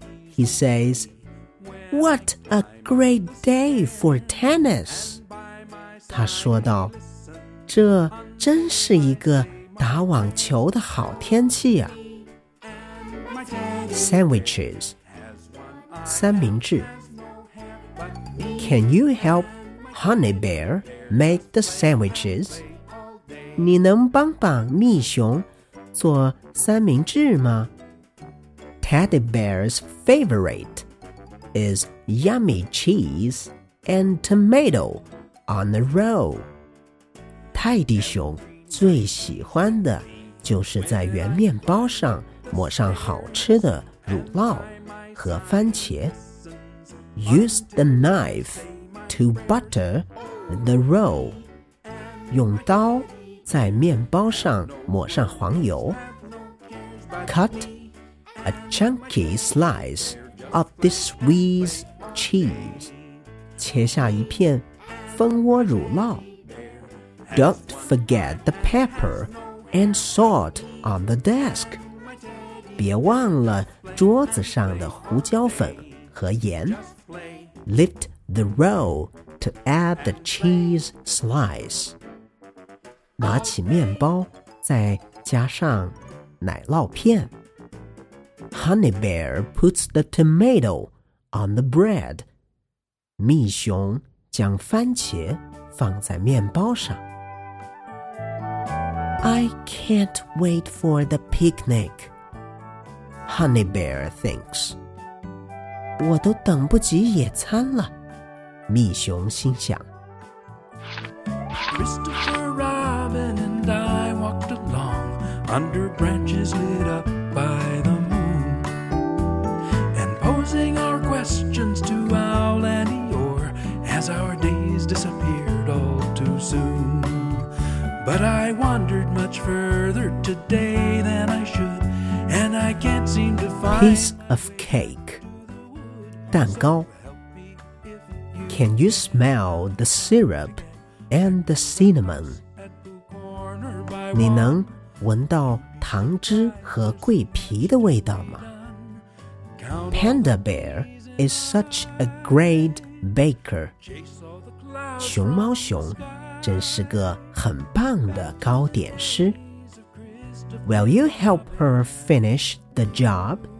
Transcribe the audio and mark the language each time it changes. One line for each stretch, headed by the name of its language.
English: He says, What a great day for tennis!
Chinese: 他说道，这真是一个打网球的好天气啊。
English: Sandwiches, 三明治。 Can you help Honey Bear make the sandwiches?
Chinese: 你能帮帮蜜熊做三明治吗？
English: Teddy Bear's favorite is yummy cheese and tomato on a roll.
Chinese: 泰迪熊最喜欢的就是在圆面包上抹上好吃的乳酪和番茄。
English: Use the knife to butter the roll.
Chinese: 用刀在面包上抹上黄油。
English: Cut a chunky slice of the Swiss cheese.
Chinese: 切下一片蜂窝乳酪。
English: Don't forget the pepper and salt on the desk.
Chinese: 别忘了桌子上的胡椒粉和盐。
English: Lift the roll to add the cheese slice.
Chinese: 拿起面包，再加上奶酪片。
English: Honey Bear puts the tomato on the bread.
Chinese: 蜜熊将番茄放在面包上。
English: I can't wait for the picnic, Honey Bear thinks.
Chinese: 我都等不及野餐了，蜜熊心想。
English: Christopher Robin and I walked along under branches lit up by the moon, and posing our questions to Owl and Eeyore as our days disappeared all too soon. But I wandered much further today than I should, and I can't seem to find piece of cake.
Chinese: 蛋糕。
English: Can you smell the syrup and the cinnamon?
Chinese: 你能闻到糖汁和桂皮的味道吗？
English: Panda Bear is such a great baker. 熊猫熊。
Chinese: 真是个很棒的糕点师。
English: Will you help her finish the job?